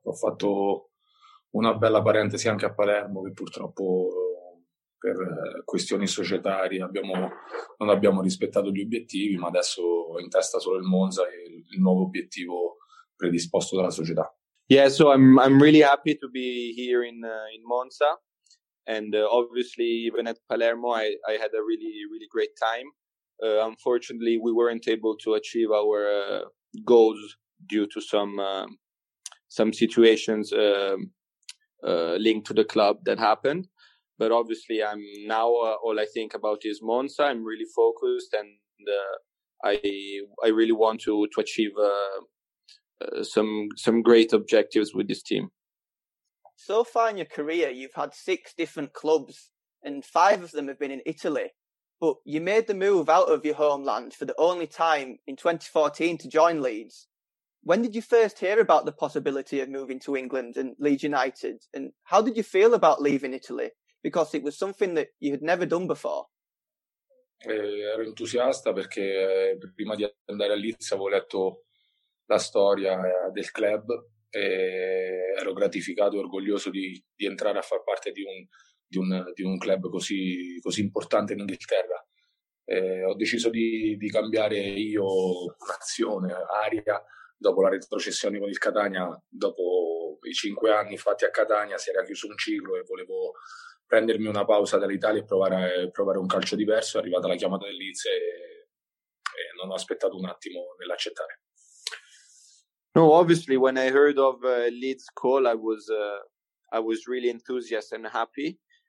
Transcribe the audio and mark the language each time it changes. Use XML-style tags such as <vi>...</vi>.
<it>Ho fatto una bella parentesi anche a Palermo, che purtroppo per questioni societarie non abbiamo rispettato gli obiettivi, ma adesso ho in testa solo il Monza e il nuovo obiettivo predisposto dalla società.</it> <en>Yeah, so I'm really happy to be here in Monza. And obviously, even at Palermo, I had a really, really great time. Unfortunately, we weren't able to achieve our goals due to some situations linked to the club that happened. But obviously, I'm now all I think about is Monza. I'm really focused, and I really want to achieve some great objectives with this team. So far in your career, you've had six different clubs and five of them have been in Italy. But you made the move out of your homeland for the only time in 2014 to join Leeds. When did you first hear about the possibility of moving to England and Leeds United? And how did you feel about leaving Italy? Because it was something that you had never done before.</en> <it>Ero entusiasta perché prima di andare a Leeds avevo letto la storia del club. E ero gratificato e orgoglioso di entrare a far parte di un club così importante in Inghilterra. Ho deciso di cambiare io nazione, aria, dopo la retrocessione con il Catania. Dopo i 5 anni fatti a Catania si era chiuso un ciclo e volevo prendermi una pausa dall'Italia e provare un calcio diverso. È arrivata la chiamata del Leeds e non ho aspettato un attimo nell'accettare.</it> <en>No, obviously, when I heard of Leeds' call, I was really enthusiastic and happy.</en>